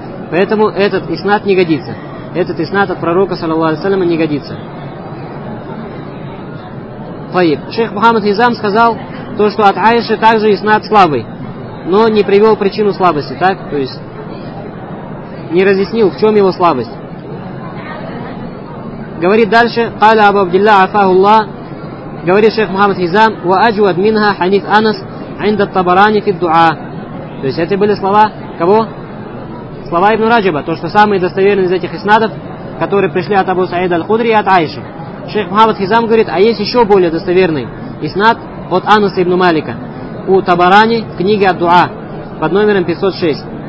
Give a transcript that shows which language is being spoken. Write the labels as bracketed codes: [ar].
[ru] Поэтому этот иснад не годится. Этот иснад от пророка, саллаллаху алейхи ва саллям, не годится. Фаиб. Шейх Мухаммад Хизам сказал, то, что от Аиши также иснад слабый, но не привел причину слабости, так? То есть, не разъяснил, в чем его слабость. Говорит дальше, [ar] قال أبو عبد الله عفاه الله, [ru] говорит шейх Мухаммад Хизам, [ar] وأجود منها حديث أنس عند الطبراني في الدعاء. [ru] То есть, это были слова кого? Слова Ибн Раджаба, то, что самые достоверные из этих иснадов, которые пришли от Абу Саида Аль-Худри и от Аиши. Шейх Мухаммад Хизам говорит, а есть еще более достоверный иснад от Анаса Ибн Малика у Табарани в книге Ад-Дуа под номером 506.